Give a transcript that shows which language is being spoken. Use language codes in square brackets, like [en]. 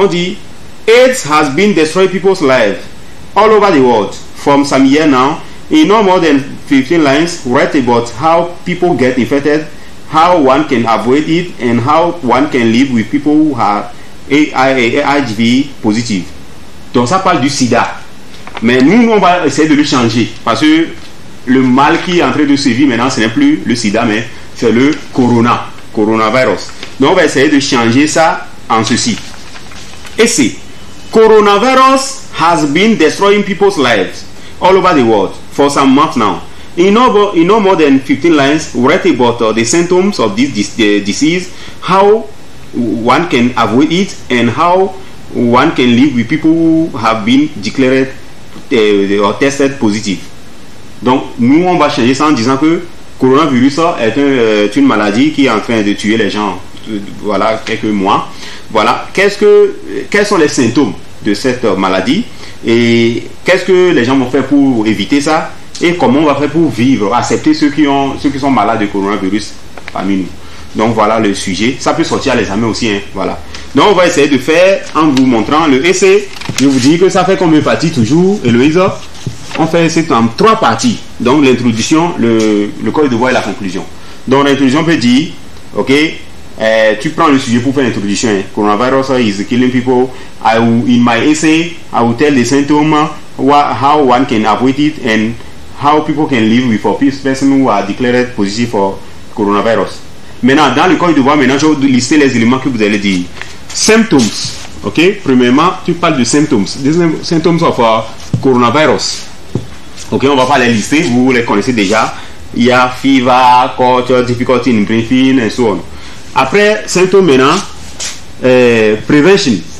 [fr] On dit [en] AIDS has been destroying people's lives all over the world from some year now. In no more than 15 lines, write about how people get infected, how one can avoid it, and how one can live with people who are HIV positive. [fr] Donc, ça parle du sida. Mais nous, on va essayer de le changer. Parce que le mal qui est en train de sévir maintenant, ce n'est plus le sida, mais. C'est le coronavirus. Donc, on va essayer de changer ça en ceci. Essai. [en] Coronavirus has been destroying people's lives all over the world for some months now. In no more than 15 lines, write about the symptoms of this disease, how one can avoid it, and how one can live with people who have been declared or tested positive. [fr] Donc, nous, on va changer ça en disant que coronavirus est une maladie qui est en train de tuer les gens. Voilà, quelques mois. Voilà, quels sont les symptômes de cette maladie? Et qu'est-ce que les gens vont faire pour éviter ça? Et comment on va faire pour vivre, accepter ceux qui sont malades de coronavirus parmi nous? Donc, voilà le sujet. Ça peut sortir à l'examen aussi. Hein? Voilà. Donc, on va essayer de faire en vous montrant le essai. Je vous dis que ça fait combien de parties toujours, Eloïse? On fait essai en trois parties. Donc, l'introduction, le code de voix et la conclusion. Donc, l'introduction peut dire, ok, tu prends le sujet pour faire l'introduction. [en] Coronavirus is killing people. In my essay, I will tell the symptoms, how one can avoid it, and how people can live with a person who are declared positive for coronavirus. [fr] Maintenant, dans le code de voix, maintenant, je vais lister les éléments que vous allez dire. Symptoms, ok. Premièrement, tu parles de symptoms. Des [en] symptoms of coronavirus. [fr] Ok, on va pas les lister, vous les connaissez déjà. Il y a [en] fever, cough, difficulty in breathing, [fr] et so on. Après, symptômes maintenant, prevention.